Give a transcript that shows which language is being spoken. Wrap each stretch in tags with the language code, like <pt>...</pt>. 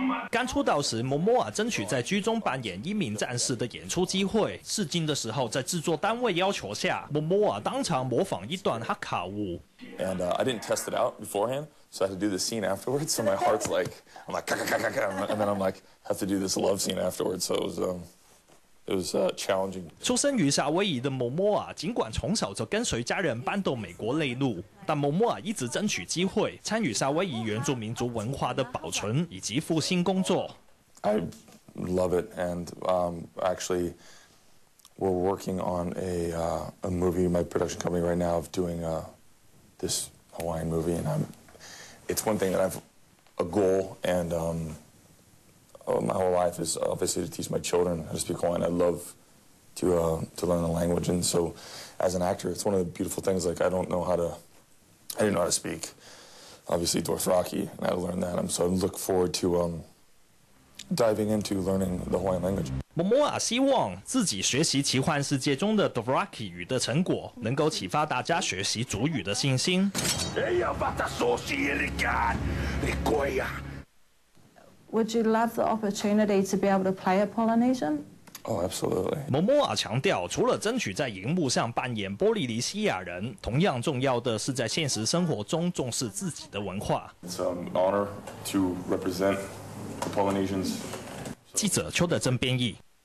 <zh>刚出道时， Momoa 争取在剧中扮演一名战士的演出机会。试镜的时候，在制作单位要求下， Momoa 当场模仿一段哈卡舞。</zh> <en>And I didn't test it out beforehand, so I had to do the scene afterwards. So my heart's like, I'm like, ka ka ka ka, and then I'm like, have to do this love scene afterwards. So it was challenging.</en> <zh>出生于夏威夷的 Momoa， 尽管从小就跟随家人搬到美国内陆，但 Momoa 一直争取机会参与夏威夷原住民族文化的保存以及复兴工作。</zh> <en>I love it, and actually, we're working on a movie. My production company right now of doing this Hawaiian movie, and it's one thing that I've a goal and. My whole life is obviously to teach my children how to speak Hawaiian. I love to learn the language, and so as an actor, it's one of the beautiful things. Like I didn't know how to speak, obviously Dothraki, and I learned that. I'm so I look forward to diving into learning the Hawaiian language.</en> <zh>Momoa 希望自己学习奇幻世界中的 Dothraki 语的成果，能够启发大家学习祖语的信心。</zh> <en>Would you love the opportunity to be able to play a Polynesian? Oh, absolutely.</en> <zh>Momoa 强调，除了争取在荧幕上扮演波利尼西亚人，同样重要的是在现实生活中重视自己的文化。</zh> <en>It's an honor to represent the Polynesians.</en> <zh>记者邱德真编译。</zh>